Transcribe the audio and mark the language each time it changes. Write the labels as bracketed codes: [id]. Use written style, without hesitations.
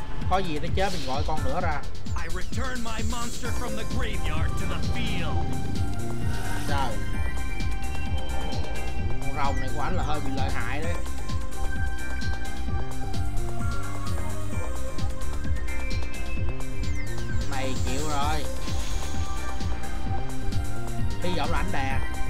[vi] Có gì nó chết mình gọi con nữa ra. [en] I return my monster from the graveyard to the field. [vi] Trời. Con rồng này của anh là hơi bị lợi hại đấy. Mày chịu rồi. Hy vọng là ảnh đè.